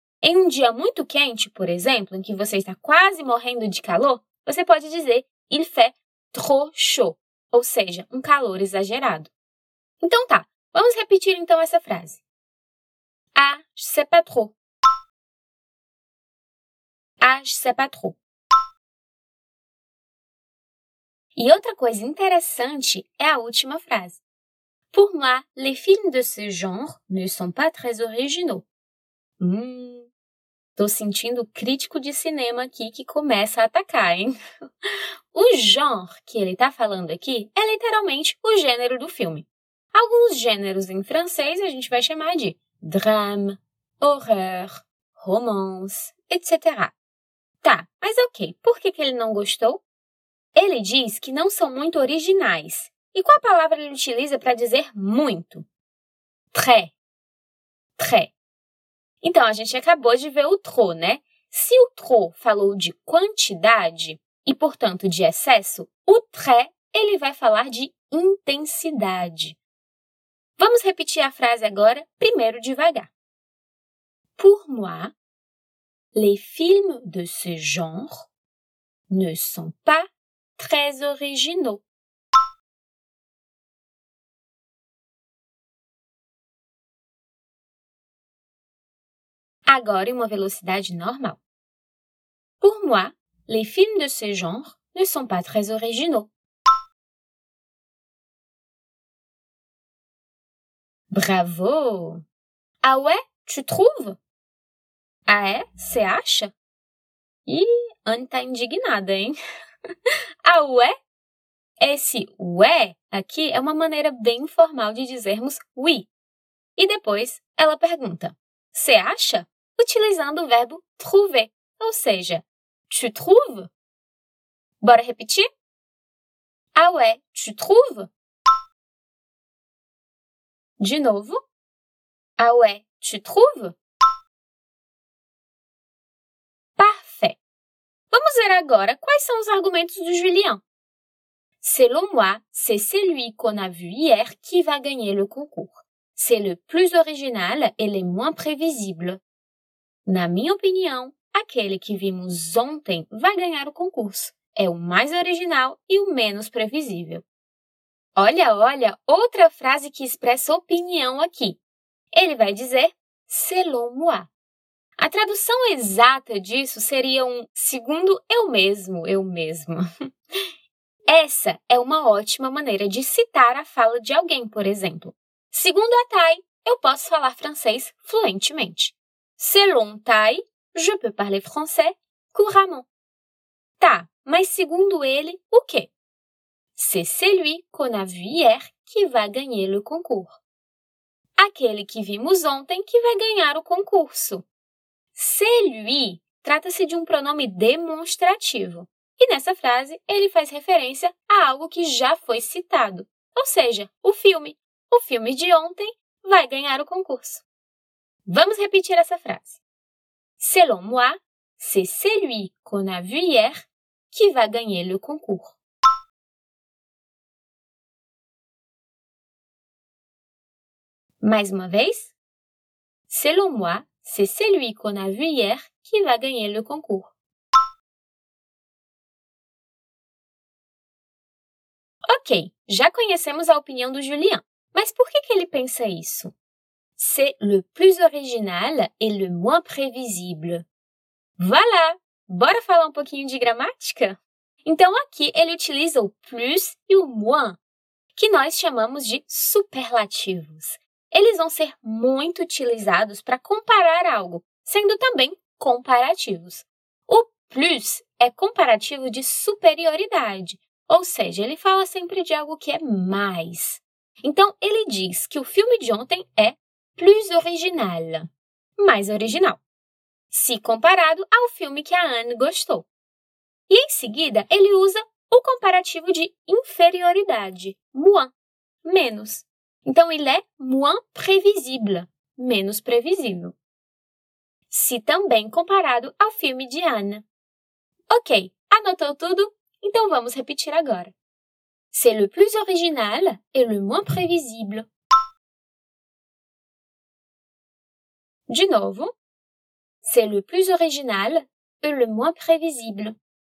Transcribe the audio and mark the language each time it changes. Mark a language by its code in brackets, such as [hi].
[pt] Em um dia muito quente, por exemplo, em que você está quase morrendo de calor, você pode dizer [fr] il fait trop chaud, [pt] ou seja, um calor exagerado. Então tá, vamos repetir então essa frase. [fr] Ah, je sais pas trop. Ah, je sais pas trop. [pt] E outra coisa interessante é a última frase. [fr] Pour moi, les films de ce genre ne sont pas très originaux. [pt] Tô sentindo o crítico de cinema aqui que começa a atacar, hein? O genre que ele tá falando aqui é literalmente o gênero do filme. Alguns gêneros em francês a gente vai chamar de drame, horror, romance, etc. Tá, mas ok, por que ele não gostou? Ele diz que não são muito originais. E qual palavra ele utiliza para dizer muito? Très. Très. Então, a gente acabou de ver o trop, né? Se o trop falou de quantidade e, portanto, de excesso, o très, ele vai falar de intensidade. Vamos repetir a frase agora, primeiro devagar. [fr] Pour moi, les films de ce genre ne sont pas très originaux. [pt] Agora em uma velocidade normal. [fr] Pour moi, les films de ce genre ne sont pas très originaux. Bravo! Ah ouais, tu trouves? [pt] Ah é? Você acha? Ih, Anne tá indignada, hein? [fr] Ah ouais? [pt] Esse ouais aqui é uma maneira bem informal de dizermos oui. E depois ela pergunta, você acha? Utilizando o verbo trouver, ou seja, [fr] tu trouves? [pt] Bora repetir? [fr] Ah ouais, tu trouves? [pt] De novo? [fr] Ah ouais, tu trouves? Parfait! [pt] Vamos ver agora quais são os argumentos do Julien. [fr] Selon moi, c'est celui qu'on a vu hier qui va gagner le concours. C'est le plus original et le moins prévisible. [pt] Na minha opinião, aquele que vimos ontem vai ganhar o concurso. É o mais original e o menos previsível. Olha, olha, outra frase que expressa opinião aqui. Ele vai dizer, selon moi. A tradução exata disso seria um segundo eu mesmo, eu mesma. Essa é uma ótima maneira de citar a fala de alguém, por exemplo. Segundo a Thay, eu posso falar francês fluentemente. [fr] Selon Thay, je peux parler français couramment. [pt] Tá, mas segundo ele, o quê? [fr] C'est celui qu'on a vu hier qui va gagner le concours. [pt] Aquele que vimos ontem que vai ganhar o concurso. Celui trata-se de um pronome demonstrativo. E nessa frase, ele faz referência a algo que já foi citado. Ou seja, o filme. O filme de ontem vai ganhar o concurso. Vamos repetir essa frase. [fr] Selon moi, c'est celui qu'on a vu hier qui va gagner le concours. [pt] Mais uma vez. [fr] Selon moi, c'est celui qu'on a vu hier qui va gagner le concours. [pt] Ok, já conhecemos a opinião do Julien. Mas por que ele pensa isso? [fr] C'est le plus original et le moins prévisible. Voilà! [pt] Bora falar um pouquinho de gramática? Então, aqui ele utiliza o plus e o moins, que nós chamamos de superlativos. Eles vão ser muito utilizados para comparar algo, sendo também comparativos. O plus é comparativo de superioridade, ou seja, ele fala sempre de algo que é mais. Então, ele diz que o filme de ontem é plus original, mais original, se comparado ao filme que a Anne gostou. E, em seguida, ele usa o comparativo de inferioridade, moins, menos. Então, ele é moins prévisible, menos previsível, se também comparado ao filme de Anne. Ok, anotou tudo? Então, vamos repetir agora. [fr] C'est le plus original et le moins prévisible. [pt] De novo. [fr] C'est le plus original et le moins prévisible.